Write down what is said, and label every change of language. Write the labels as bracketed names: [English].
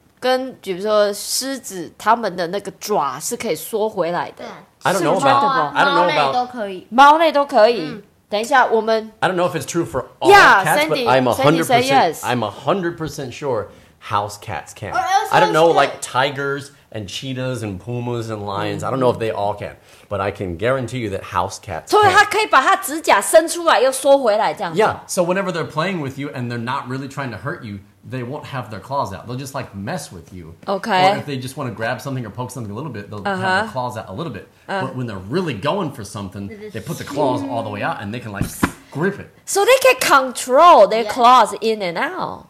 [Chinese] 跟比如说狮子，他们的那个爪是可以缩回来的。 [English] I don't know about that. [Chinese] 猫类都可以，猫类都可以。等一下，我们。 [English] I don't know if it's true for all cats, but I'm 100% sure house cats can. I don't know, like tigers and cheetahs and pumas and lions. I don't know if they all can, but I can guarantee you that house cats. [Chinese] 所以它可以把它指甲伸出来又缩回来这样。 [English] Yeah. So whenever they're playing with you and they're not really trying to hurt you. They won't have their claws out. They'll just like mess with you. Okay. Or if they just want to grab something or poke something a little bit, they'll have their claws out a little bit. But when they're really going for something, they put the claws all the way out and they can like grip it. So they can control their claws in and out.